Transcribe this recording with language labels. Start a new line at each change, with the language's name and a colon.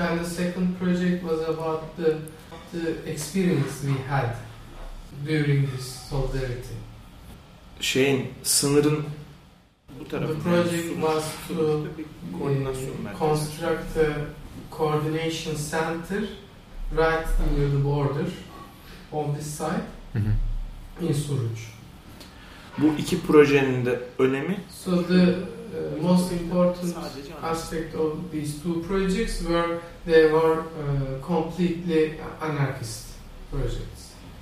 English: And the second project was about the experience we had during this solidarity.
Turkish: Şeyin, sınırın...
English: The project was to construct a coordination center right near the border on this side, mm-hmm. in Suruç.
Turkish: Bu iki projenin de önemi.
English: So the most important aspect of these two projects were they were completely anarchist projects.